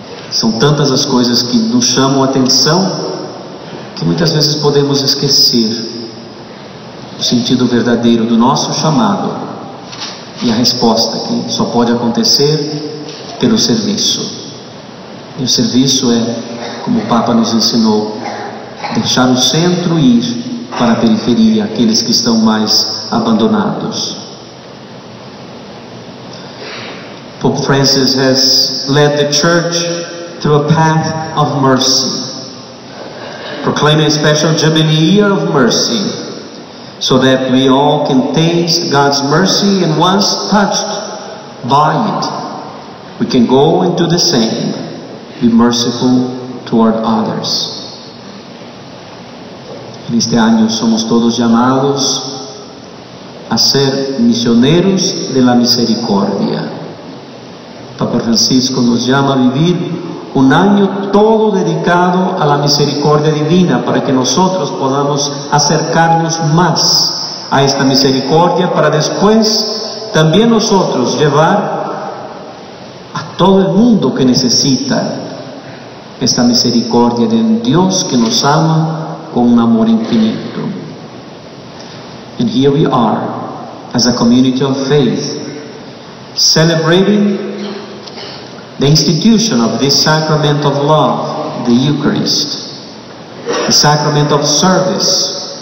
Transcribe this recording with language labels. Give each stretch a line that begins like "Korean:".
Portuguese: São tantas as coisas que nos chamam a atenção que muitas vezes podemos esquecer o sentido verdadeiro do nosso chamado e a resposta que só pode acontecer pelo serviço. E o serviço é, como o Papa nos ensinou, deixar o centro e ir para a periferia, aqueles que estão mais abandonados.
English: Pope Francis has led the Church through a path of mercy, proclaiming a special Jubilee Year of Mercy, so that we all can taste God's mercy, and once touched by it, we can go and do the same, be merciful toward others.
Portuguese: Neste ano somos todos chamados a ser missioneiros
Spanish: de la misericordia. Papa Francisco nos llama a vivir un año todo dedicado a la misericordia divina, para que nosotros podamos acercarnos más a esta misericordia, para después también nosotros llevar a todo el mundo que necesita esta misericordia de un Dios que nos ama con un amor infinito.
English: And here we are, as a community of faith, celebrating the institution of this sacrament of love, the Eucharist, the sacrament of service.